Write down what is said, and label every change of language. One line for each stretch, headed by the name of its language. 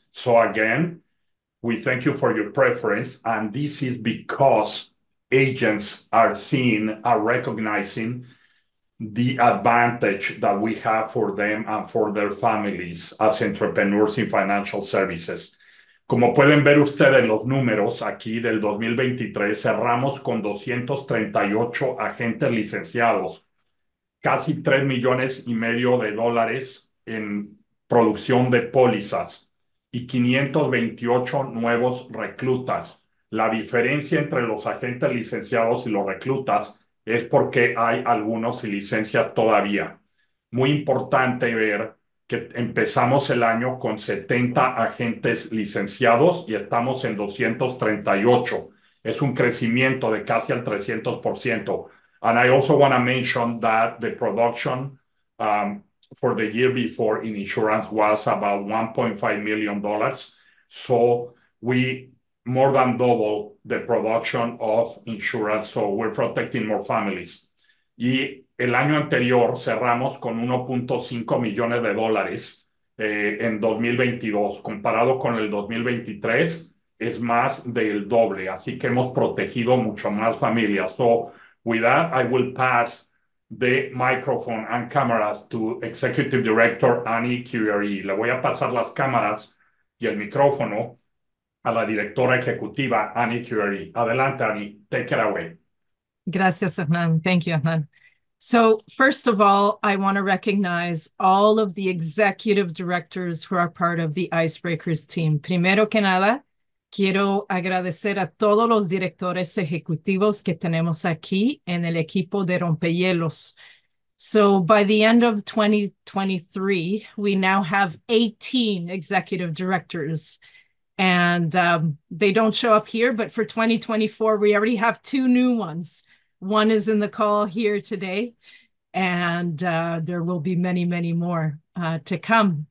English: So again, we thank you for your preference, and this is because agents are seeing, are recognizing the advantage that we have for them and for their families as entrepreneurs in financial services.
Spanish: Como pueden ver ustedes los números aquí del 2023, cerramos con 238 agentes licenciados, casi 3 millones y medio de dólares en producción de pólizas, y 528 nuevos reclutas. La diferencia entre los agentes licenciados y los reclutas es porque hay algunos sin licencia todavía. Muy importante ver que empezamos el año con 70 agentes licenciados y estamos en 238. Es un crecimiento de casi al 300%.
English: And I also want to mention that the production for the year before in insurance was about $1.5 million. So we more than double the production of insurance. So we're protecting more families.
Spanish: Y el año anterior cerramos con 1.5 millones de dólares en 2022. Comparado con el 2023, es más del doble. Así que hemos protegido mucho más familias.
English: So with that, I will pass the microphone and cameras to Executive Director Annie Curie.
Spanish: Le voy a pasar las cámaras y el micrófono a la directora ejecutiva, Annie Curie.
English: Adelante, Annie. Take it away. Gracias, Hernan. Thank you, Hernan. So first of all, I want to recognize all of the executive directors who are part of the Icebreakers team.
Spanish: Primero que nada, quiero agradecer a todos los directores ejecutivos que tenemos aquí en el equipo de Rompehielos.
English: So by the end of 2023, we now have 18 executive directors. And they don't show up here, but for 2024, we already have two new ones. One is in the call here today, and there will be many, many more to come.